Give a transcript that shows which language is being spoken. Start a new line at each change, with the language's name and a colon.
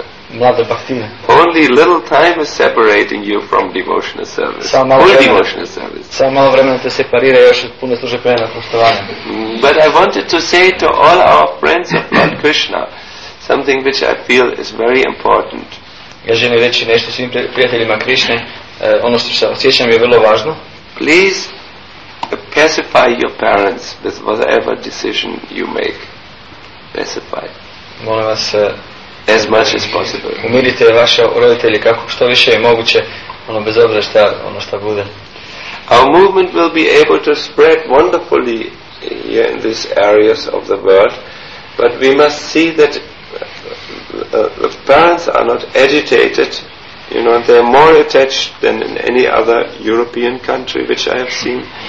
English: Only little time is separating you from devotional service. Full devotional service.
Croatian: Samo malo vremena te separira još od pune službe prema poštovanju.
English: But I wanted to say to all our friends of Lord Krishna something which I feel is very important.
Croatian: Ja želim reći nešto svim prijateljima Krišne, ono što se osjećam je vrlo važno.
English: Please pacify your parents with whatever decision you make. Pacify.
Croatian: Molim vas,
English: as much as possible.
Croatian: Umirite vaše roditelje kako što više je moguće, ono bez obzira šta ono šta bude.
English: Our movement will be able to spread wonderfully in these areas of the world, but we must see that the parents are not agitated, you know, they are more attached than in any other European country which I have seen.